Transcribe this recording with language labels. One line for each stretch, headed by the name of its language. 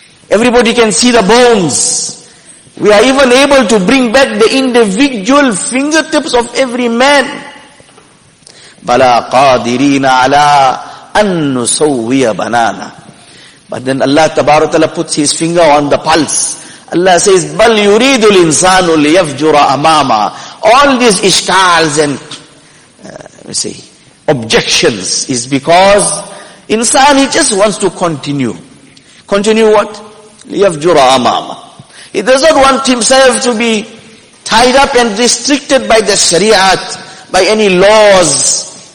English: Everybody can see the bones. We are even able to bring back the individual fingertips of every man.
Arabic: بَلَا قَادِرِينَ عَلَىٰ أَن نُسَوِّيَ بَنَانَا.
English: But then Allah tabarak ta'ala puts his finger on the pulse. Allah says,
Arabic: بَلْ يُرِيدُ الْإِنسَانُ لِيَفْجُرَ أَمَامًا.
English: All these ishkals and, objections is because insan, he just wants to continue. Continue what?
Arabic: لِيَفْجُرَ أَمَامًا.
English: He does not want himself to be tied up and restricted by the shari'at, by any laws.